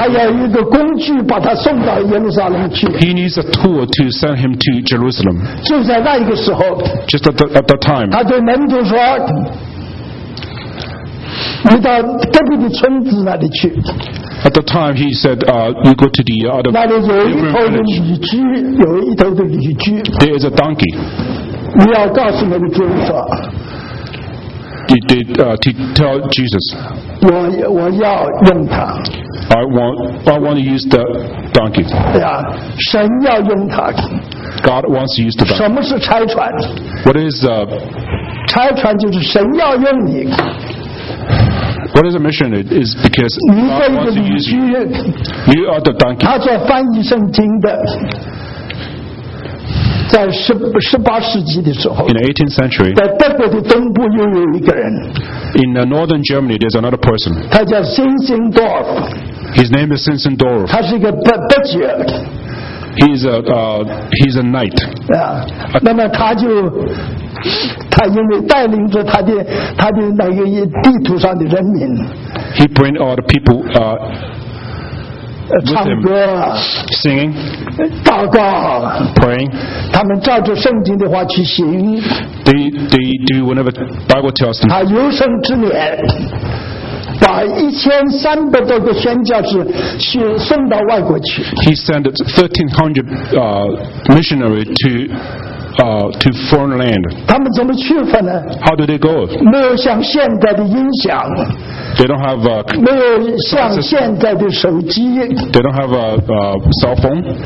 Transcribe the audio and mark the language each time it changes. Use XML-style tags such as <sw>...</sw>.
<zh>他要一个工具把他送到耶路撒冷去。</zh> <en>He needs a tool to send him to Jerusalem.</en> <zh>就在那一个时候。</zh> <en>Just at that time.</en> <zh>他对门徒说：“你到隔壁的村子那里去。”</zh> <en>At the time, he said, "You go to the other."</en> <zh>那里有一头的驴驹，有一头的驴驹。</zh> <en>There is a donkey.</en> <zh>你要告诉那个主人说</zh> <en>to tell Jesus,</en> <zh>我要用他。</zh> <en>I want to use the donkey.</en> <zh>Yeah, 神要用他。</zh> <en>God wants to use the donkey.</en> <zh>什么是差传？</zh> <en>What is the?</en> <zh>差传就是神要用你。</zh> <en>What is the mission? It is because God wants to use you. You are the donkey.</en> <zh>他做翻译圣经的。在十八世纪的时候</zh> <en>，In the 18th century，</en> <zh>在德国的东部又有一个人。</zh> <en>In the northern Germany, there's another person.</en> <zh>他叫 Sinzendorf。</zh> <en>His name is Sinzendorf。</en> <zh>他是一个德籍。</zh> <en>He's a knight.</en> <zh>啊，那么他因为带领着他的那个地图上的人民。</zh> <en>He bring all the people with him,</en> <zh>唱歌,</zh> <en>singing,</en> <zh>祷告,</zh> <en>praying.</en> <zh>他们照着圣经的话去行,</zh> <en>they do whatever the Bible tells them.</en> <zh>他有生之年, 把1300多个宣教士去送到外国去。</zh> <en>He sent 1,300 missionaries to foreign land.</en> <zh>他们怎么去法呢?</zh> <en>How do they go?</en> <zh>没有像现在的音响,</zh> <en>they don't have</en> <zh>没有像现在的手机,</zh> <en>they don't have a cell phone,</en>